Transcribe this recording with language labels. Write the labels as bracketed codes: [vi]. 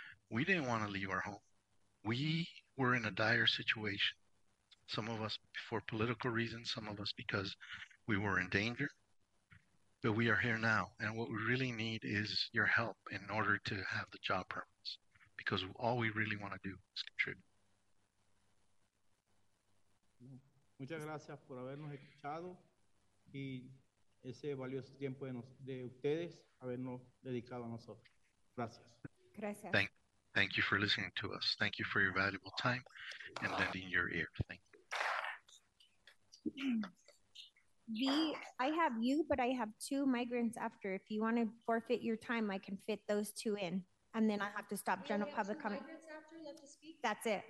[en] We didn't want to leave our home. We were in a dire situation. Some of us for political reasons, some of us because we were in danger. But we are here now. And what we really need is your help in order to have the job permits. Because all we really want to do is contribute. [es] Muchas gracias por habernos escuchado y ese valioso tiempo de ustedes habernos dedicado a nosotros. Gracias. Gracias. [en] Thank you for listening to us. Thank you for your valuable time and lending your ear. Thank you. I have you, but I have two migrants after. If you want to forfeit your time, I can fit those two in. And then I have to stop general public comment. That's it.